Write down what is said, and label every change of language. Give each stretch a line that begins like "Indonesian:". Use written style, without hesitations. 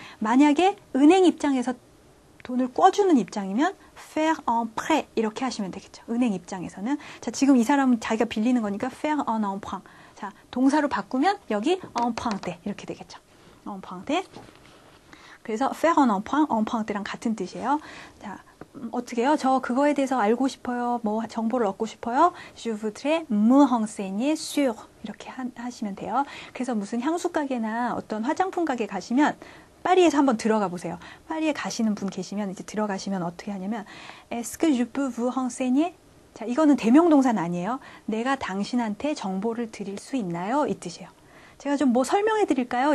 Korean: 만약에 은행 입장에서 돈을 꿔주는 입장이면
French: faire un prêt
Korean: 이렇게 하시면 되겠죠. 은행 입장에서는. 자, 지금 이 사람은 자기가 빌리는 거니까
French: faire un emprunt.
Korean: 자, 동사로 바꾸면 여기 emprunt 때 이렇게 되겠죠. emprunt 때. 그래서
French: faire un emprunt,
Korean: emprunt 때랑 같은 뜻이에요. 자, 어떻게요? 저 그거에 대해서 알고 싶어요. 뭐 정보를 얻고 싶어요.
French: Je voudrais me renseigner sur
Korean: 이렇게 하시면 돼요. 그래서 무슨 향수 가게나 어떤 화장품 가게 가시면 파리에서 한번 들어가 보세요. 파리에 가시는 분 계시면 이제 들어가시면 어떻게 하냐면
French: Est-ce que je peux vous renseigner?
Korean: 자, 이거는 대명동사는 아니에요. 내가 당신한테 정보를 드릴 수 있나요? 이 뜻이에요. 제가 좀뭐 설명해 드릴까요?